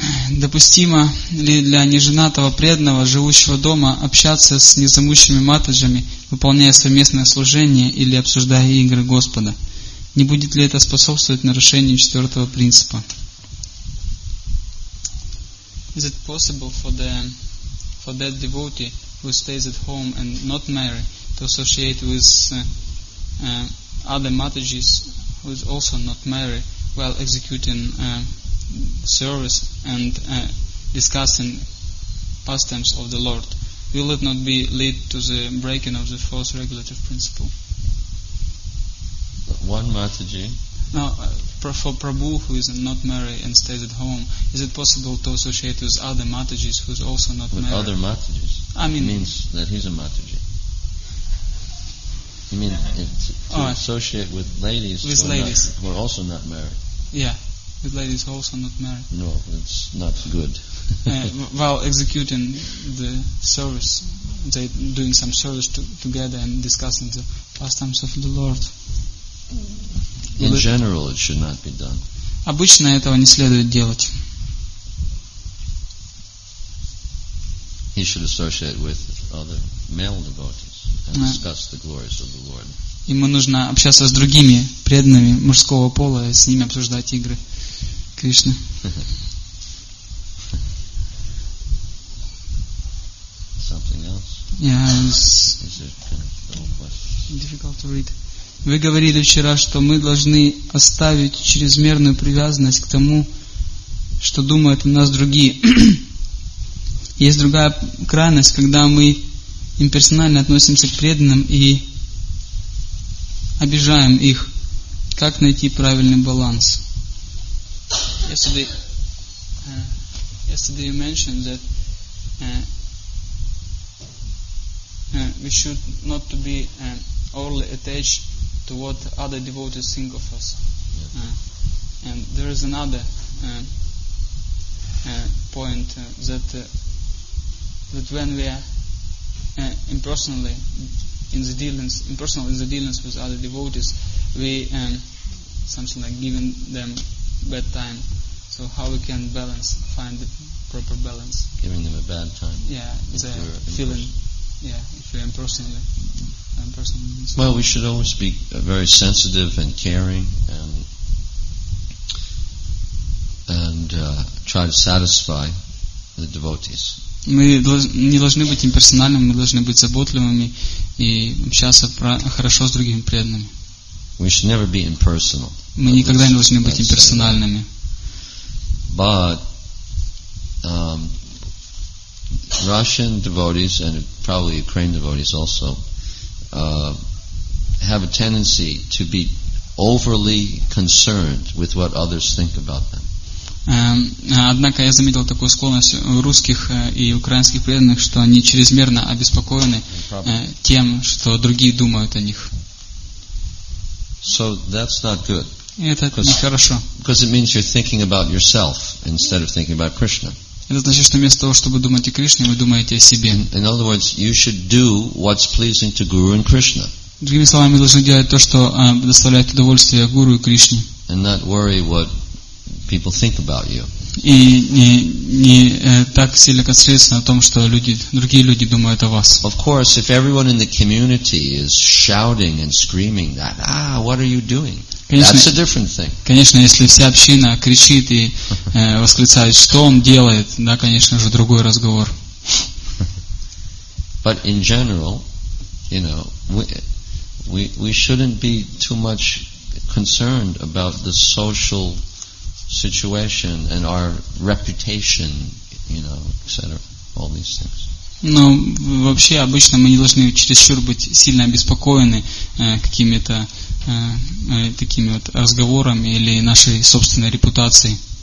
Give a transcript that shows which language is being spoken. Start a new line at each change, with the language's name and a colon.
Russian: Допустимо ли для неженатого преданного, живущего дома, общаться с незамужними матаджами, выполняя совместное служение или обсуждая игры Господа? Не будет ли это способствовать нарушению четвертого принципа?
English: Is it possible for that devotee who stays at home and not married to associate with other matajis who is also not married while executing service and discussing pastimes of the Lord? Will it not be lead to the breaking of the fourth regulative principle? One Mataji. Now, for Prabhu who is not married and stays at home, is it possible to associate with other Matajis who is also not with married? With other Matajis? I mean... It means that he's a Mataji. You mean associate with ladies, with who, ladies. Not, who are also not married? Yeah. With ladies also not married. No, it's not good. while executing the service, they doing some service together and discussing the pastimes of the Lord. In general, it should not be done.
Russian: Обычно этого не следует делать.
English: He should associate with other male devotees and discuss the glories of the Lord.
Russian: Ему нужно общаться с другими преданными мужского пола и с ними обсуждать игры.
English: Something else? Yeah, is it kind of difficult to read.
Russian: Вы говорили вчера, что мы должны оставить чрезмерную привязанность к тому, что думают о нас другие. Есть другая крайность, когда мы имперсонально относимся к преданным и обижаем их. Как найти правильный баланс?
English: Yesterday you mentioned that we should not to be overly attached to what other devotees think of us. And there is another point that when we are impersonally in the dealings, impersonal in the dealings with other devotees, we something like giving them bad time. So how we can balance, find the proper balance? Giving them a bad time. Yeah, the feeling. Yeah, if you're impersonally. Well, we should always be very sensitive and caring, and try to satisfy the devotees.
Russian: Мы не должны быть имперсональными, мы должны быть заботливыми и общаться хорошо с другими преданными.
English: We should never be impersonal.
Russian: Мы никогда не должны быть имперсональными.
English: But Russian devotees and probably Ukrainian devotees also have a tendency to be overly concerned with what others think about them.
Russian: Однако я заметил такую склонность у русских и украинских преданных, что они чрезмерно обеспокоены тем, что другие думают о них.
English: So that's not good.
Russian: Это нехорошо.
English: Because it means you're thinking about yourself instead of thinking about Krishna.
Russian: Это значит, что вместо того, чтобы думать о Кришне, вы думаете о себе.
English: In other words, you should do what's pleasing to Guru and Krishna.
Russian: Другими словами, вы должны делать то, что доставляет удовольствие Гуру и Кришне.
English: And not worry what people think about you.
Russian: И не так сильно концентрироваться на том, что другие люди думают о вас.
English: Of course, if everyone in the community is shouting and screaming that, what are you doing? That's a different thing.
Russian: Конечно, если вся община кричит и восклицает, что он делает, да, конечно же, другой разговор.
English: But in general, you know, we shouldn't be too much concerned about the social situation and our reputation, you know, etc. All these things.
Russian: Но вообще обычно мы не должны чересчур быть сильно обеспокоены какими-то такими вот разговорами или нашей собственной репутацией.